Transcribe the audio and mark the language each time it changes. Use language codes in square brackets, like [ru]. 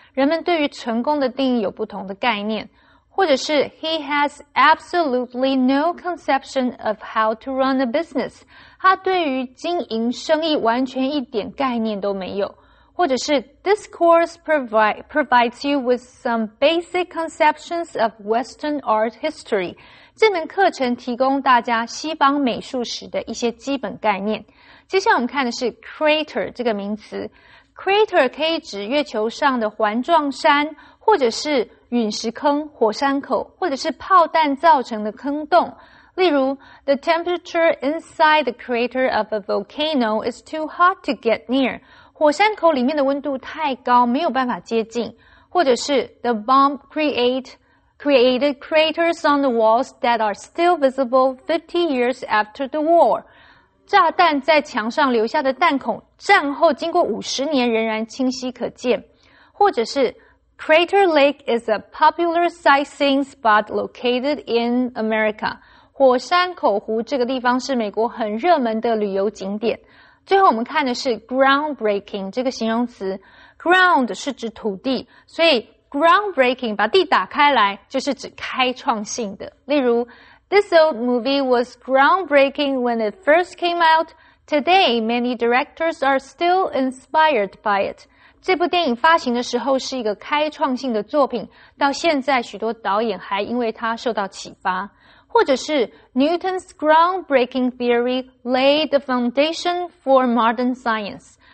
[zh] 人们对于成功的定义有不同的概念。或者是 [en] ,he has absolutely no conception of how to run a business. [zh] 他对于经营生意完全一点概念都没有。或者是 [en] ,this course provides you with some basic conceptions of Western art history. [zh] 这门课程提供大家西方美术史的一些基本概念。接下来我们看的是 crater 这个名词。crater 可以指月球上的环状山，或者是陨石坑、火山口，或者是炮弹造成的坑洞。例如 [en] ,the temperature inside the crater of a volcano is too hot to get near. [zh] 火山口里面的温度太高，没有办法接近。或者是 [en] ,the bomb created craters on the walls that are still visible 50 years after the war. [zh] 炸弹在墙上留下的弹孔，战后经过50年仍然清晰可见。或者是 [en] ,Crater Lake is a popular sightseeing spot located in America. [zh] 火山口湖这个地方是美国很热门的旅游景点。最后我们看的是 groundbreaking 这个形容词。ground 是指土地，所以 groundbreaking 把地打开来就是指开创性的。例如 [en] This old movie was groundbreaking when it first came out. Today, many directors are still inspired by it. [zh] 这部电影发行的时候是一个开创性的作品，到现在许多导演还因为它受到启发。或者是 [en] Newton's groundbreaking theory laid the foundation for modern science.